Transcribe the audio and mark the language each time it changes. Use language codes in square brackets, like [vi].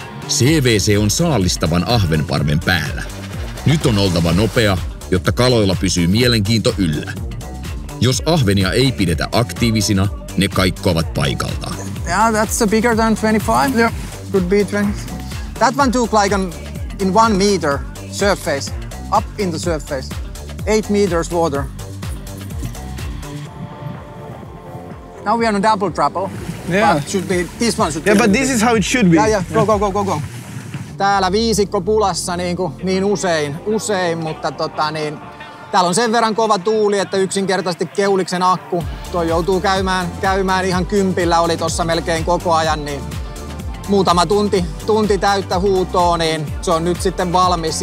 [fi] CVC on saalistavan ahvenparven päällä. Nyt on oltava nopea, jotta kaloilla pysyy mielenkiinto yllä. Jos ahvenia ei pidetä aktiivisina, ne kaikkoavat paikalta. [en] Yeah, that's a bigger than 25. Yeah. Could be 20. That one took like an in 1 meter surface, up in the surface. 8 meters water. Now we are on a double trouble. Yeah. But should be this one should yeah, be. Yeah, but this is how it should be. Yeah, yeah. Go. [fi] Täällä viisikko pulassa niin usein, mutta niin täällä on sen verran kova tuuli, että yksinkertaisesti keuliksen akku toi joutuu käymään ihan kympillä, oli tuossa melkein koko ajan, niin muutama tunti täyttä huutoa, niin se on nyt sitten valmis.